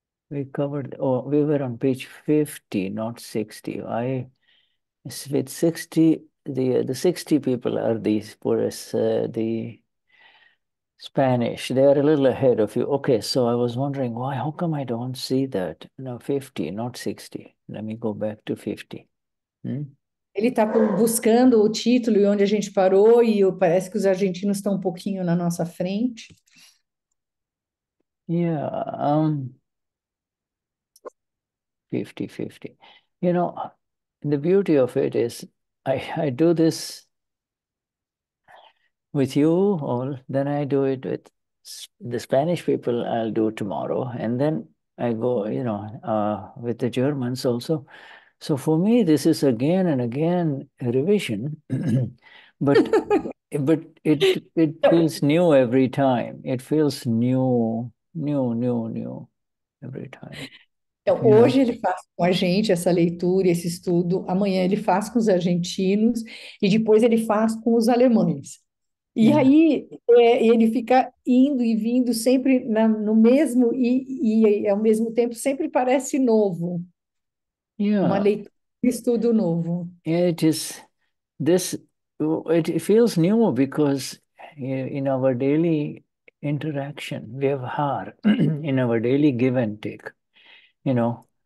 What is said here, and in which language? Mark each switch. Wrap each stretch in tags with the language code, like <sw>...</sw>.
<en>we were on page 50, not 60. With 60, the 60 people are these, the Spanish, they are a little ahead of you. Okay, so I was wondering, why, how come I don't see that? No, 50, not 60. Let me go back to 50.</en> <pt>Ele está buscando o título e onde a gente parou e parece que os argentinos estão um pouquinho na nossa frente.</pt> <en>Yeah. 50-50. You know, the beauty of it is I do this with you all, then I do it with the Spanish people, I'll do tomorrow, and then I go, you know, with the Germans also. So for me, this is again and again a revision, but it feels new every time. It feels new every time.</en> <pt>Então, hoje ele faz com a gente essa leitura, esse estudo, amanhã ele faz com os argentinos e depois ele faz com os alemães. E aí ele fica indo e vindo sempre no mesmo e ao mesmo tempo sempre parece novo.</pt> <en>Yeah.</en> <pt>Uma leitura, estudo novo.</pt> <en>It is this, it feels new because in our daily interaction, we have har in our daily give and take. You know,</en>